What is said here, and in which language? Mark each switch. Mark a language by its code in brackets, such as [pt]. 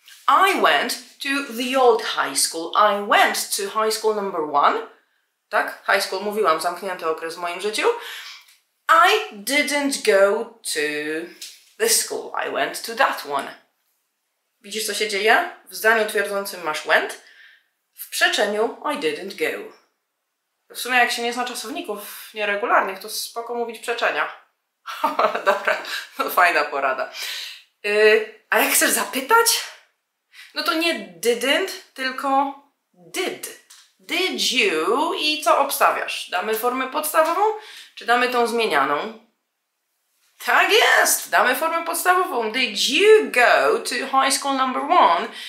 [en] I went to the old high school. I went to high school number one. [pl] Tak? High school, mówiłam, zamknięty okres w moim życiu. [en] I didn't go to this school, I went to that one. [pl] Widzisz, co się dzieje? W zdaniu twierdzącym masz went, w przeczeniu [en] I didn't go. [pl] W sumie jak się nie zna czasowników nieregularnych, to spoko mówić przeczenia. Dobra, no fajna porada. A jak chcesz zapytać? No to nie didn't, tylko did. [en] Did you [pl] i co obstawiasz? Damy formę podstawową, czy damy tą zmienianą? Tak jest! Damy formę podstawową. [en] Did you go to high school number one?